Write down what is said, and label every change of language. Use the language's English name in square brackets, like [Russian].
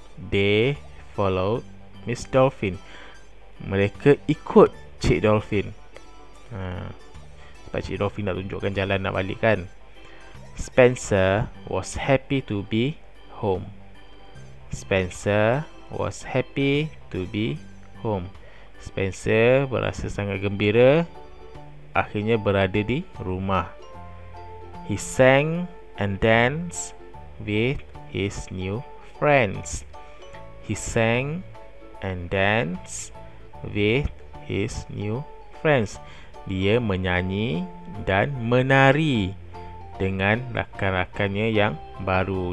[English] They followed Miss Dolphin. [Malay] Mereka ikut Cik Dolphin. Sebab Cik Dolphin nak tunjukkan jalan nak balik kan. [English] Spencer was happy to be home. Spencer was happy to be home. [Malay] Spencer berasa sangat gembira akhirnya berada di rumah. [English] He sang and danced with his new friends. He sang and danced with his new friends. [Malay] Dia menyanyi dan menari dengan rakan-rakannya yang baru.